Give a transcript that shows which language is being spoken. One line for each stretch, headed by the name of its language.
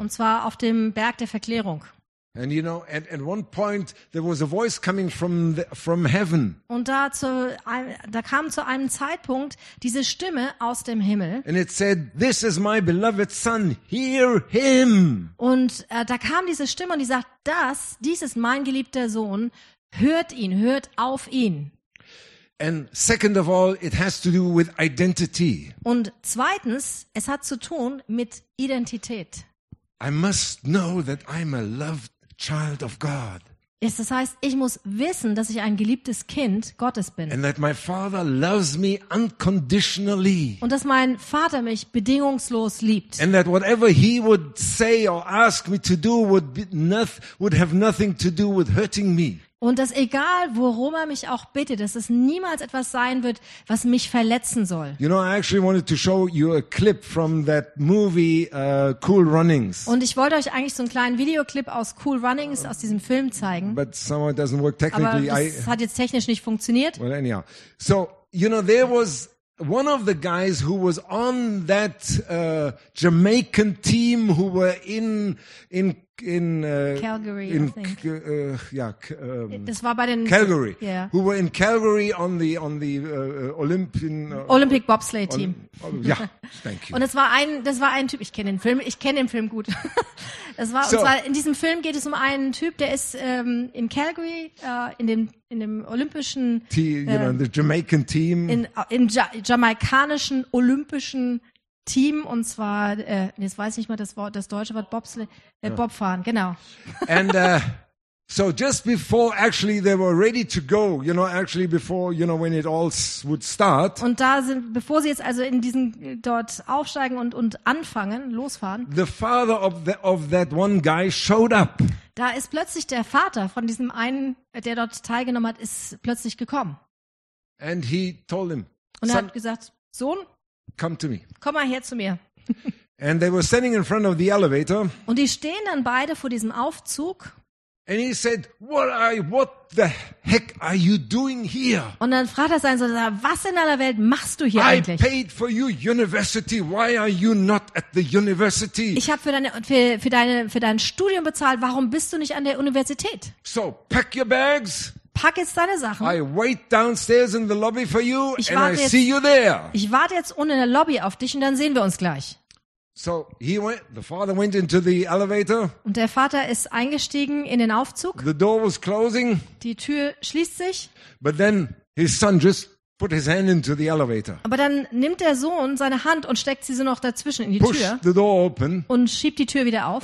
German: Und zwar auf dem Berg der Verklärung.
English: And you know, at one point there was a voice coming from heaven.
German: Und da kam zu einem Zeitpunkt diese Stimme aus dem Himmel.
English: And it said, "This is my beloved son. Hear him."
German: Und da kam diese Stimme und die sagt, dies ist mein geliebter Sohn. Hört ihn, hört auf ihn.
English: And second of all, it has to do with identity.
German: Und zweitens, es hat zu tun mit Identität.
English: I must know that I'm a loved child of God.
German: Das heißt, ich muss wissen, dass ich ein geliebtes Kind Gottes bin.
English: And that my father loves me unconditionally.
German: Und dass mein Vater mich bedingungslos liebt.
English: And that whatever he would say or ask me to do would have nothing to do with hurting me.
German: Und dass egal, worum er mich auch bittet, dass es niemals etwas sein wird, was mich verletzen soll.
English: You know, I actually wanted to show you a clip from that movie Cool Runnings.
German: Und ich wollte euch eigentlich so einen kleinen Videoclip aus Cool Runnings, aus diesem Film zeigen.
English: But somehow it doesn't work technically.
German: Aber das hat jetzt technisch nicht funktioniert.
English: Well, anyhow. So, you know, there was one of the guys who was on that Jamaican team who were in Calgary on the Olympic bobsleigh team. Yeah, thank you.
German: Und das war ein Typ, ich kenne den Film gut. Und zwar in diesem Film geht es um einen Typ, der ist in Calgary in dem olympischen
English: The Jamaican team.
German: Im jamaikanischen olympischen Team, und zwar jetzt weiß ich nicht mehr das deutsche Wort Bobfahren, genau.
English: And so just before actually they were ready to go, you know, actually before, you know, when it all would start.
German: Und da sind, bevor sie jetzt also in diesen dort aufsteigen und anfangen losfahren,
English: the father of that one guy showed up.
German: Da ist plötzlich der Vater von diesem einen, der dort teilgenommen hat, ist plötzlich gekommen.
English: And he told him,
German: und er hat gesagt, Sohn,
English: come to me.
German: Komm mal her zu mir.
English: And they were standing in front of the elevator.
German: Und die stehen dann beide vor diesem Aufzug.
English: And he said, what the heck are you doing here?
German: Und dann fragt er seinen Sohn, was in aller Welt machst du hier eigentlich?
English: I paid for you university. Why are you not at the university?
German: Ich habe für dein Studium bezahlt. Warum bist du nicht an der Universität?
English: So, pack your bags.
German: Pack jetzt deine Sachen.
English: I wait downstairs in the lobby for you and I see you there.
German: Ich warte jetzt unten in der Lobby auf dich und dann sehen wir uns gleich.
English: So he went, the father went into the elevator.
German: Und der Vater ist eingestiegen in den Aufzug.
English: The door was closing.
German: Die Tür schließt sich.
English: But then his son just put his hand into the elevator.
German: Aber dann nimmt der Sohn seine Hand und steckt sie so noch dazwischen in die
English: Push
German: Tür.
English: The door open.
German: Und schiebt die Tür wieder auf.